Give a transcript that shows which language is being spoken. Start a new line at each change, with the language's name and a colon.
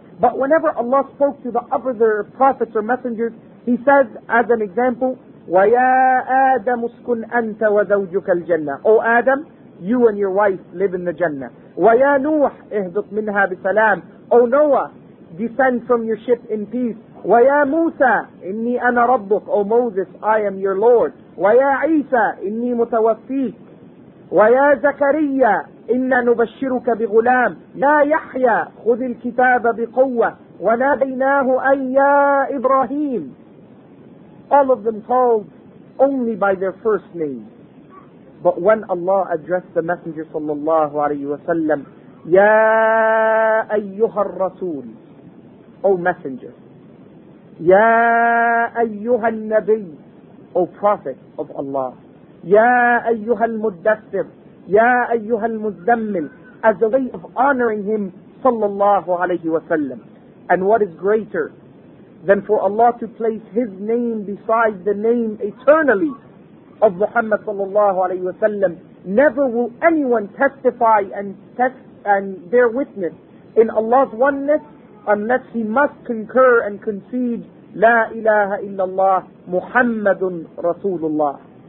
English: But whenever Allah spoke to the other prophets or messengers, he says, as an example,
Arabic: وَيَا آدَمُ اسْكُنْ أَنْتَ وَزَوْجُكَ الْجَنَّةِ,
English: O Adam, you and your wife live in the Jannah.
Arabic: وَيَا نُوحِ اِهْدُطْ مِنْهَا بِسَلَامِ,
English: O Noah, descend from your ship in peace.
Arabic: وَيَا مُوسَى إِنِّي أَنَا رَبُّكَ
English: O Moses, I am your Lord.
Arabic: وَيَا عِيسَى إِنِّي مُتَوَفِّيكَ وَيَا زَكَرِيَّا إِنَّا نُبَشِّرُكَ بِغُلَامٍ لَا يَحْيَى خُذِ الْكِتَابَ بِقُوَّةٍ وَنَادَيْنَاهُ أَنْ يَا إِبْرَاهِيمُ
English: All of them called only by their first name. But when Allah addressed the Messenger
Arabic: صلى الله عليه وسلم, يَا أَيُّهَا الرَّسُولُ
English: O Messenger,
Arabic: يَا أَيُّهَا النَّبِيُّ
English: O Prophet of Allah,
Arabic: يَا أَيُّهَا الْمُدَّثِّرُ يَا أَيُّهَا الْمُزَّمِّلُ
English: As a way of honoring him,
Arabic: صلى الله عليه وسلم.
English: And what is greater than for Allah to place his name beside the name eternally of Muhammad صلى الله عليه وسلم? Never will anyone testify and bear witness in Allah's oneness unless he must concur and concede La ilaha illallah Muhammadun Rasulullah.